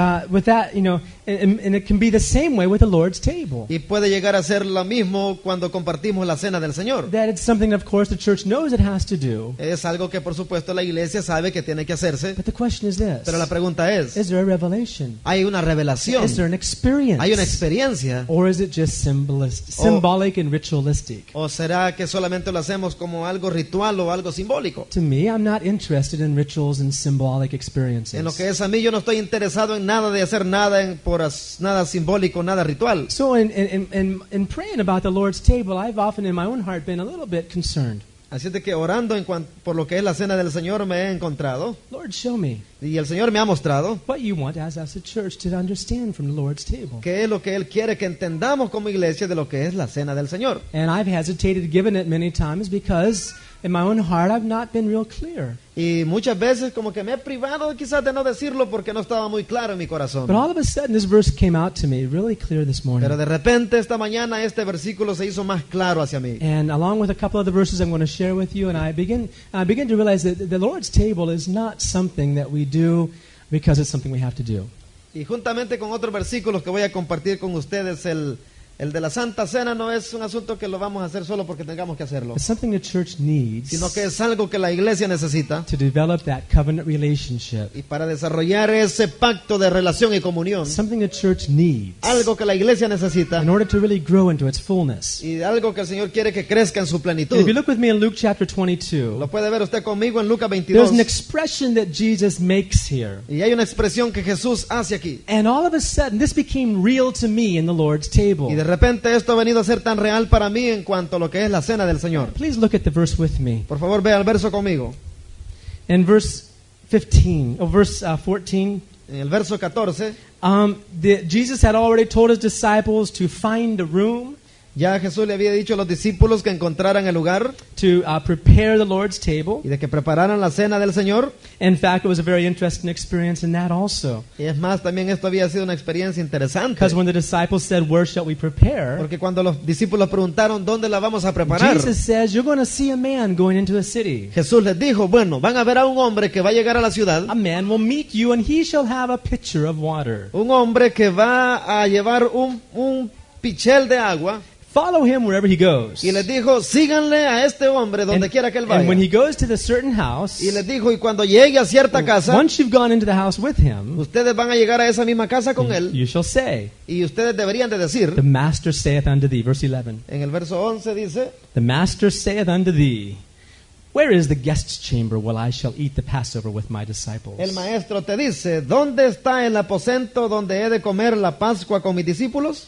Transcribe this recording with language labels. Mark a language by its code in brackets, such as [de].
[en] With that, you know, and it can be the same way with the Lord's table. [es] Y puede llegar a ser lo mismo cuando compartimos la cena del Señor. [en] That it's something of course the church knows it has to do. [es] Es algo que por supuesto la iglesia sabe que tiene que hacerse. [en] The question is this. [es] Pero la pregunta es, [en] is there a revelation? [es] ¿Hay una revelación? [en] Is there an experience? [es] ¿Hay una experiencia? [en] Or is it just symbolic and ritualistic? [es] ¿O será que solamente lo hacemos como algo ritual o algo simbólico? [en] To me, I'm not interested in rituals and symbolic experiences. [es] En lo que es a mí, yo no estoy interesado en nada de hacer nada nada simbólico, nada ritual. [en] So in praying about the Lord's table, I've often in my own heart been a little bit concerned. [es] Así es de que orando en por lo que es la cena del Señor me he encontrado. [en] Lord, show me. [es] Y el Señor me ha mostrado. [en] What you want as a church to understand from the Lord's table. [es] Qué es lo que Él quiere que entendamos como iglesia de lo que es la cena del Señor. [en] And I've hesitated giving it many times because in my own heart I've not been real clear. [es] Y muchas veces como que me he privado quizás de no decirlo porque no estaba muy claro en mi corazón. [en] But all of a sudden this verse came out to me really clear this morning. [es] Pero de repente esta mañana este versículo se hizo más claro hacia mí. [en] And along with a couple of the verses I'm going to share with you, and I begin to realize that the Lord's table is not something that we do because it's something we have to do. [es] Y juntamente con otros versículos que voy a compartir con ustedes, el de la Santa Cena no es un asunto que lo vamos a hacer solo porque tengamos que hacerlo. [en] It's something the church needs, [es] sino que es algo que la iglesia necesita, [en] to develop that covenant relationship, [es] y para desarrollar ese pacto de relación y comunión. [en] Something the church needs, [es] algo que la iglesia necesita, [en] in order to really grow into its fullness, [es] y algo que el Señor quiere que crezca en su plenitud. [en] If you look with me in Luke chapter 22, [es] lo puede ver usted conmigo en Lucas 22. [en] There's an expression that Jesus makes here, [es] y hay una expresión que Jesús hace aquí. [en] And all of a sudden, this became real to me in the Lord's table. [es] De repente esto ha venido a ser tan real para mí en cuanto a lo que es la cena del Señor. [en] Please look at the verse with me. [es] Por favor, vea el verso conmigo. [en] In verse 14, [es] en el verso 14, [en] Jesus had already told his disciples to find a room. [es] Ya Jesús le había dicho a los discípulos que encontraran el lugar [en] to prepare the Lord's table. [es] Y de que prepararan la cena del Señor. [en] In fact, it was a very interesting experience in that also. [es] Y es más, también esto había sido una experiencia interesante. [en] Because when the disciples said, "Where shall we prepare?" [es] Porque cuando los discípulos preguntaron dónde la vamos a preparar. [en] Jesus says, "You're going to see a man going into a city." [es] Jesús les dijo, bueno, van a ver a un hombre que va a llegar a la ciudad. [en] A man will meet you, and he shall have a pitcher of water. [es] Un hombre que va a llevar un pichel de agua. [en] Follow him wherever he goes. [es] Y les dijo, síganle a este hombre donde quiera que él vaya. [en] And when he goes to the certain house, [es] y les dijo, y cuando llegue a cierta casa, [en] once you've gone into the house with him, [es] ustedes van a llegar a esa misma casa con él. [en] You shall say, [es] y ustedes deberían de decir, [en] the master saith unto thee, verse 11. [es] En el verso 11 dice, [en] the master saith unto thee, where is the guest's chamber while I shall eat the Passover with my disciples? [es] El maestro te dice, ¿dónde está el aposento donde he de comer la Pascua con mis discípulos?